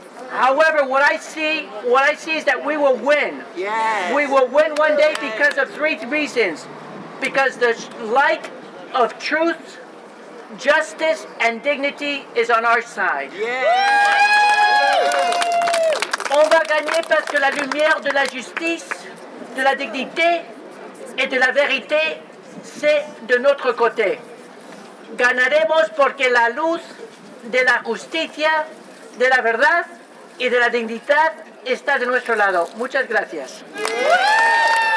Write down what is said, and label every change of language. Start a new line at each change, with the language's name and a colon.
English: However, what I see is that we will win. Yes. We will win one day because of three reasons. Because the light of truth, justice and dignity is on our side. Yeah.
French: On va gagner parce que la lumière de la justice, de la dignité et de la vérité, c'est de notre côté.
Spanish: Ganaremos porque la luz de la justicia, de la verdad y de la dignidad está de nuestro lado. Muchas gracias. Yeah.